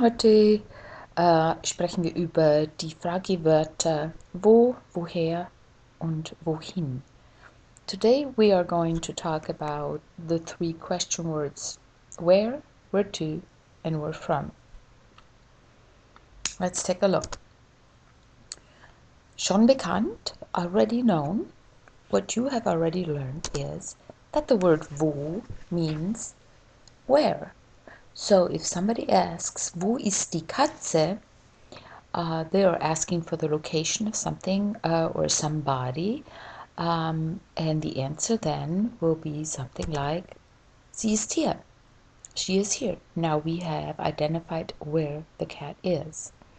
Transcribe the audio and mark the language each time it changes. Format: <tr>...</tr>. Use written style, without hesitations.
<de>Heute sprechen wir über die Fragewörter wo, woher und wohin.</de> <en>Today we are going to talk about the three question words: where, where to, and where from. Let's take a look.</en> <de>Schon bekannt,</de> <en>already known. What you have already learned is that the word wo means where. So, if somebody asks,</en> <de>wo ist die Katze?</de> <en>They are asking for the location of something or somebody. And the answer then will be something like,</en> <de>sie ist hier.</de> <en>She is here. Now we have identified where the cat is.</en>